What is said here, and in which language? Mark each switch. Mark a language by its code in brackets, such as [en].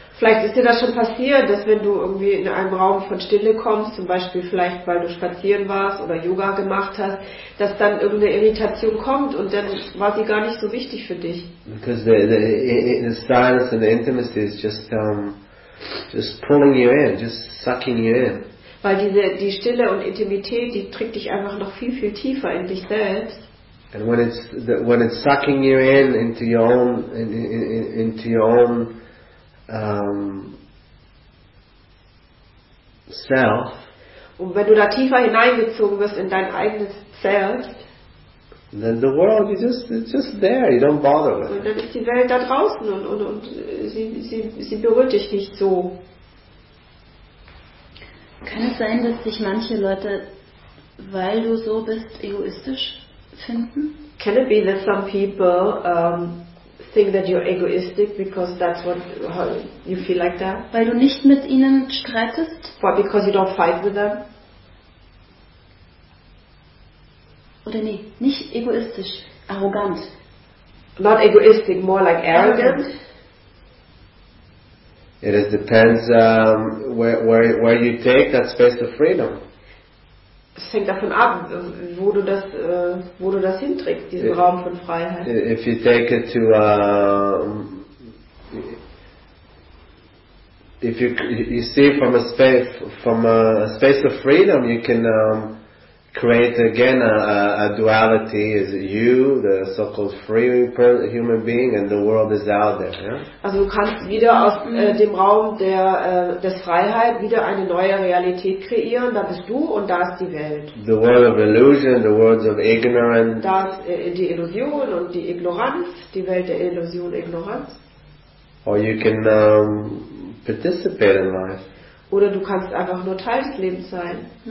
[de] Vielleicht ist dir das schon passiert, dass wenn du irgendwie in einem Raum von Stille kommst, zum Beispiel vielleicht weil du spazieren warst oder Yoga gemacht hast, dass dann irgendeine Irritation kommt und dann war sie gar nicht so wichtig für dich. [en] Because the silence and the intimacy is just pulling you in, just sucking you in. [de] Weil die Stille und Intimität, die trägt dich einfach noch viel, viel tiefer in dich selbst. [en] And when it's sucking you in into your own, into your own self. [de] Und wenn du da tiefer hineingezogen wirst in dein eigenes Self, [en] then the world is just there. You don't bother with it. [de] Und dann ist die Welt da draußen und sie berührt dich nicht so. Kann es sein, dass sich manche Leute, weil du so bist, egoistisch finden? [en] Can it be that some people think that you're egoistic because that's what you feel like that? [de] Weil du nicht mit ihnen streitest? [en] Why, because you don't fight with them? [de] Oder nee, nicht egoistisch, arrogant. [en] Not egoistic, more like arrogant. It just depends where you take that space of freedom. [de] Es hängt davon ab, wo du das hinträgst, diesen Raum von Freiheit. [en] If you take it to if you see from a space of freedom, you can create again a duality: is it you, the so-called free human being, and the world is out there. Yeah? [de] Also du kannst wieder aus dem Raum der Freiheit wieder eine neue Realität kreieren. Da bist du und da ist die Welt. [en] The world of illusion, the worlds of ignorance. [de] Da ist die Illusion und die Ignoranz, die Welt der Illusion, Ignoranz. [en] Or you can participate in life. [de] Oder du kannst einfach nur Teil des Lebens sein.